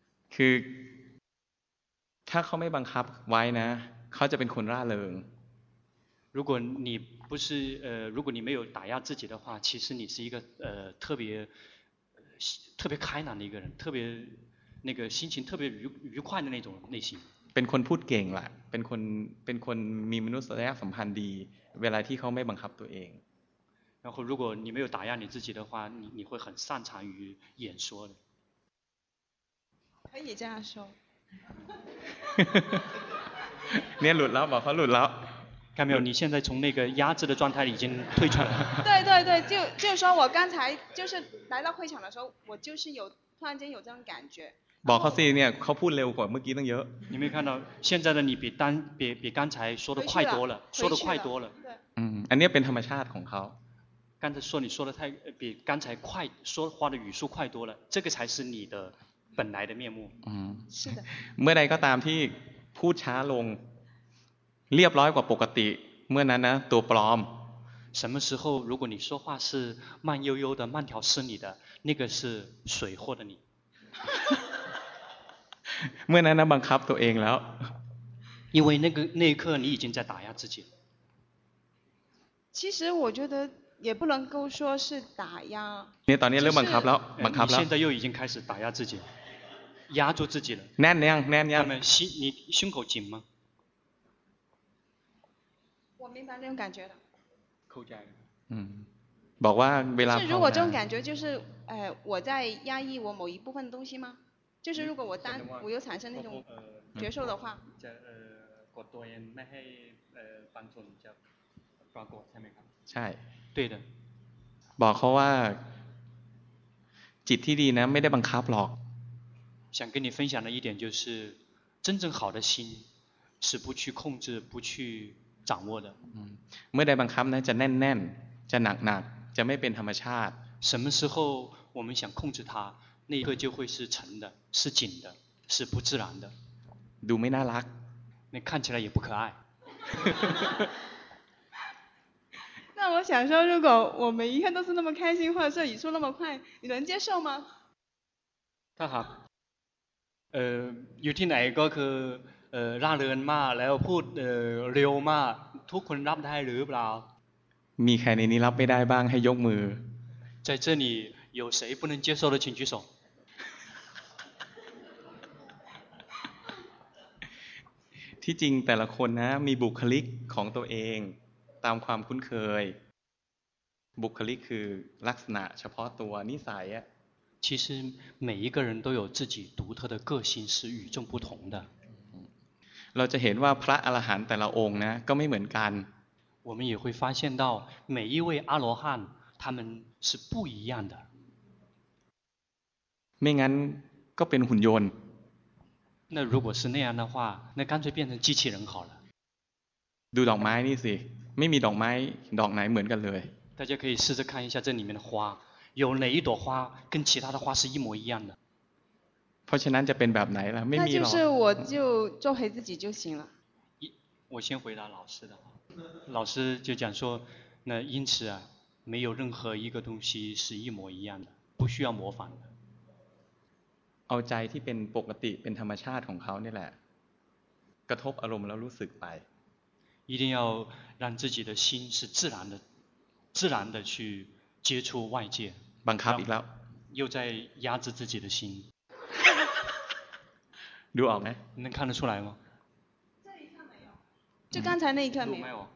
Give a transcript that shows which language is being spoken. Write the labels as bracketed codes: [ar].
[th] คือถ้าเขาไม่บังคับไว้นะเขาจะเป็นคนร่าเริง [zh] 如果你不是如果你没有打压自己的话其实你是一个特别开朗的一个人特别那个心情特别愉快的那种类型 [th] เป็นคนพูดเก่งแหละเป็นคนมีมนุษยสัมพันธ์ดีเวลาที่เขาไม่บังคับตัวเอง [zh] 然后如果你没有打压你自己的话你会很擅长于演说的可以这样说 [th] เนี่ยหลุดแล้วบอกเขาหลุดแล้ว [zh] 看到没有你现在从那个压制的状态里已经退出了对对对就说我刚才就是来到会场的时候我就是有突然间有这种感觉 [th] บอกเขาสิเนี่ยเขาพูดเร็วกว่าเมื่อกี้ตั้งเยอะ [zh] 你没看到现在的你比刚才说的快多了说的快多了 [th] อันนี้เป็นธรรมชาติของเขา [zh] 刚才说你说的太比刚才快说话的语速快多了这个才是你的本来的面目是的 [th] เมื่อใดก็ตามที่พูดช้าลงเรียบร้อยกว่าปกติเมื่อนั้นนะตัวปลอม [zh] 什么时候如果你说话是慢悠悠的慢条斯理的那个是水货的你 [th] เมื่อนั้นนะบังคับตัวเองแล้ว [zh] 因为那一刻你已经在打压自己其实我觉得也不能够说是打压 [th] เนี่ยตอนนี้เริ่มบังคับแล้วบังคับแล้ว [zh] 现在又已经开始打压自己压住自己了 [th] แน่นยังแน่นยัง [zh] 你胸口紧吗我明白那种感觉的。扣价。是如果这种感觉就是我在压抑我某一部分的东西吗就是如果我有产生那种觉受的话。是。对的。 [th] บอกเขาว่าจิตที่ดีนะไม่ได้บังคับหรอก。 [zh] 想跟你分享的一点就是真正好的心是不去控制不去掌握的 [th] เมื่อใดบังคับนะจะแน่นๆจะหนักๆจะไม่เป็นธรรมชาติ [zh] 什么时候我们想控制它那一刻就会是沉的是紧的是不自然的 [th] ดูไม่น่ารัก [zh] 那看起来也不可爱那我想说如果我每一天都是那么开心或者是语速那么快你能接受吗 [th] ถ้าหาก อยู่ที่ไหนก็คือร่าเริงมากแล้วพูดเร็วมากทุกคนรับได้หรือเปล่ามีใครในนี้รับไม่ได้บ้างให้ยกมือ [zh] 在这里有谁不能接受的请举手 [th] ที่จริงแต่ละคนนะมีบุคลิกของตัวเองตามความคุ้นเคยบุคลิกคือลักษณะเฉพาะตัวนิสัยอะ [zh] 其实每一个人都有自己独特的个性是与众不同的 [th] เราจะเห็นว่าพระอรหันต์แต่ละองค์นะก็ไม่เหมือนกัน [zh] 我们也会发现到每一位阿罗汉他们是不一样的 [th] ไม่งั้นก็เป็นหุ่นยนต์ [zh] 那如果是那样的话那干脆变成机器人好了 [th] ดูดอกไม้นี่สิไม่มีดอกไม้ดอกไหนเหมือนกันเลย [zh] 大家可以试着看一下这里面的花有哪一朵花跟其他的花是一模一样的 [th] เพราะฉะนั้นจะเป็นแบบไหนล่ะไม่มีหรอก นั่นคือ [zh] 我就做回自己就行了我先回答老师的老师就讲说那因此啊没有任何一个东西是一模一样的不需要模仿的 [th] เอาใจที่เป็นปกติเป็นธรรมชาติของเขานี่แหละกระทบอารมณ์แล้วรู้สึกไป [zh] 一定要让自己的心是自然的去接触外界 [th] บังคับอีกแล้ว [zh] 又在压制自己的心 [th] ดูออกไหม นั่นคันได้ [zh] 出来吗这一刻没有就刚才那一刻没有